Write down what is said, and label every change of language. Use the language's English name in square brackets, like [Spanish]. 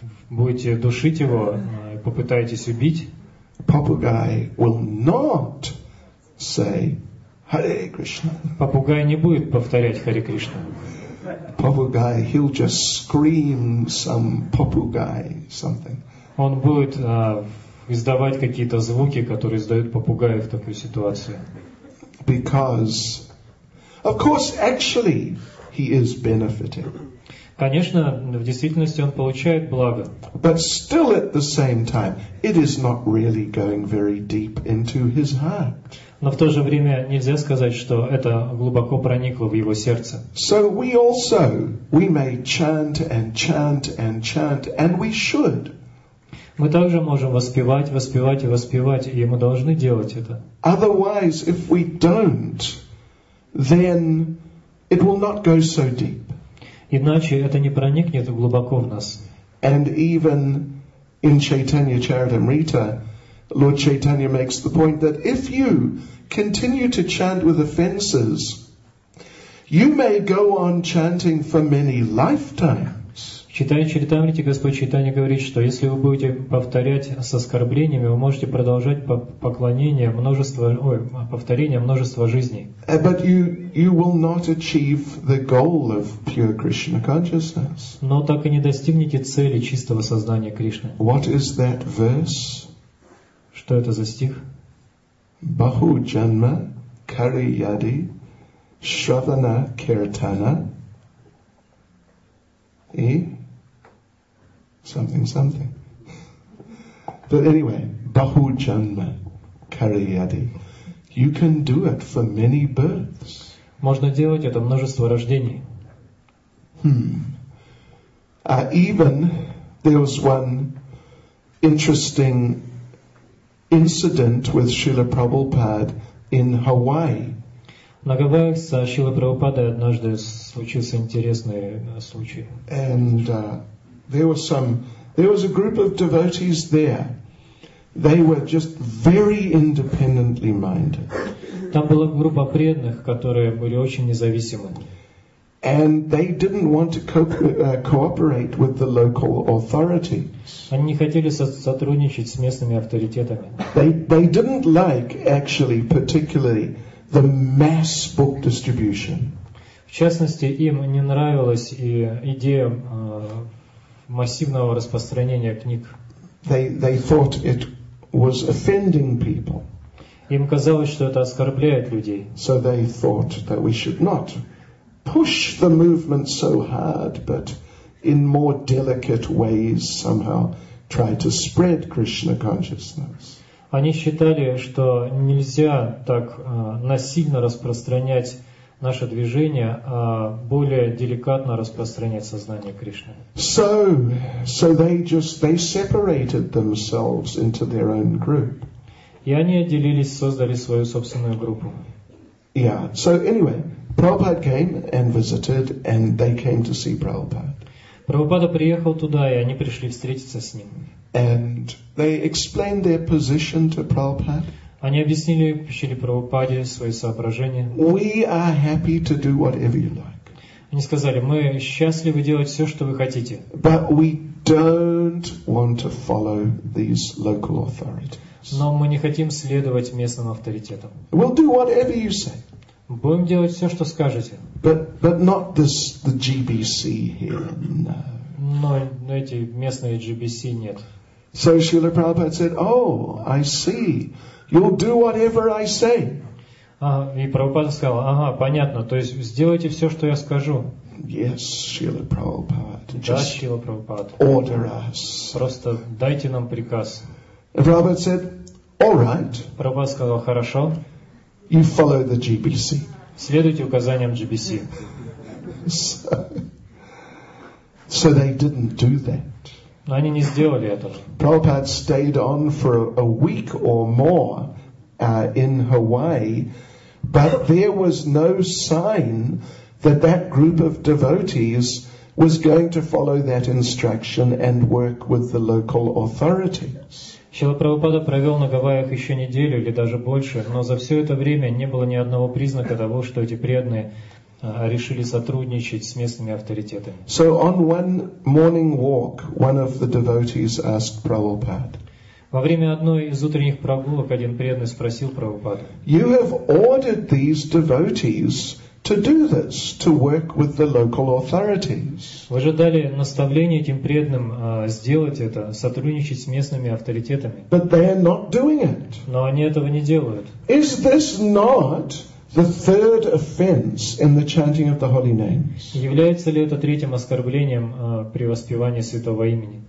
[Russian] Будете душить его, попытаетесь убить. [English] Попугай will not say Hare Krishna. [Russian] Попугай не будет повторять Хари Кришна. [English] Попугай, he'll just scream some попугай something. [Russian] Он будет издавать какие-то звуки, которые издают попугаи в такой ситуации. [English] Because, of course, actually, he is benefiting. [Russian] Конечно, в действительности он получает благо. [English] But still at the same time, it is not really going very deep into his heart. [Russian] Но в то же время нельзя сказать, что это глубоко проникло в его сердце. [English] So we also, we may chant and chant and chant, and we should. [Russian] Мы также можем воспевать, воспевать и воспевать, и мы должны делать это. [English] Otherwise, if we don't, then it will not go so deep. [Russian] Иначе это не проникнет глубоко в нас. [English] And even in Chaitanya Charitamrita, Lord Chaitanya makes the point that if you continue to chant with offenses, you may go on chanting for many lifetimes. [Russian] В Читании Чаритамрите Господь Чайтанья говорит, что если вы будете повторять с оскорблениями, вы можете продолжать поклонение множество, повторение множества жизней. [English] But you will not achieve the goal of pure Krishna consciousness. [Russian] Но так и не достигнете цели чистого сознания Кришны. [English] What is that verse? [Russian] Что это за стих? [Bangla] Bahu janma kariyadi shravana kirtana. [English] И something, something. But anyway, [Bangla] bahu janma kariyadi. [English] You can do it for many births. [Russian] Можно делать это множество рождений. [English] Even there was one interesting incident with Srila Prabhupada in Hawaii. [Russian] На Гавайях с Шрила Прабхупадой однажды случился интересный случай. [English] And there was a group of devotees there. They were just very independently minded. [Russian] Там была группа преданных, которые были очень независимы. [English] And they didn't want to cooperate with the local authorities. [Russian] Они не хотели сотрудничать с местными авторитетами. [English] They didn't like, actually, particularly the mass book distribution. [Russian] В частности, им не нравилась и идея массивного распространения книг. [English] They thought it was offending people. [Russian] Им казалось, что это оскорбляет людей. [English] So they thought that we should not push the movement so hard, but in more delicate ways somehow try to spread Krishna consciousness. [Russian] Они считали, что нельзя так насильно распространять наше движение, а более деликатно распространять сознание Кришны. [English] So they separated themselves into their own group. [Russian] И они отделились, создали свою собственную группу. [English] Yeah. So anyway, Prabhupada came and visited, and they came to see Prabhupada. [Russian] Прабхупада приехал туда, и они пришли встретиться с ним. [English] And they explained their position to Prabhupada. [Russian] Они объяснили Шриле Прабхупаде свои соображения. [English] We are happy to do whatever you like. [Russian] Они сказали: мы счастливы делать все, что вы хотите. [English] But we don't want to follow these local authorities. [Russian] Но мы не хотим следовать местным авторитетам. [English] We'll do whatever you say. [Russian] Будем делать все, что скажете. [English] But not this, the GBC here, no. [Russian] Но эти местные GBC нет. [English] So Srila Prabhupada said, oh, I see. You'll do whatever I say. [Russian] И Прабхупада сказал: ага, понятно. То есть сделайте все, что я скажу. [English] Yes, Srila Prabhupada. [Russian] Да, Srila Prabhupada. [English] Order us. [Russian] Просто дайте нам приказ. [English] And Prabhupada said, all right. [Russian] Prabhupada сказал: хорошо. [English] You follow the GBC. [Russian] Следуйте указаниям GBC. [English] So they didn't do that. [Russian] Но они не сделали этого. [English] Prabhupada stayed on for a week or more in Hawaii, but there was no sign that group of devotees was going to follow that instruction and work with the local authorities. [Russian] Шрила Прабхупада провел на Гавайях еще неделю или даже больше, но за все это время не было ни одного признака того, что эти преданные решили сотрудничать с местными авторитетами. [English] So on one morning walk, one of the devotees asked Prabhupada. [Russian] Во время одной из утренних прогулок один преданный спросил Прабхупаду: [English] You have ordered these devotees to do this, to work with the local authorities. [Russian] Вы же дали наставление этим преданным сделать это, сотрудничать с местными авторитетами. [English] But they are not doing it. [Russian] Но они этого не делают. [English] Is this not the third offense in the chanting of the holy names? [Russian] Является ли это третьим оскорблением при воспевании святого имени?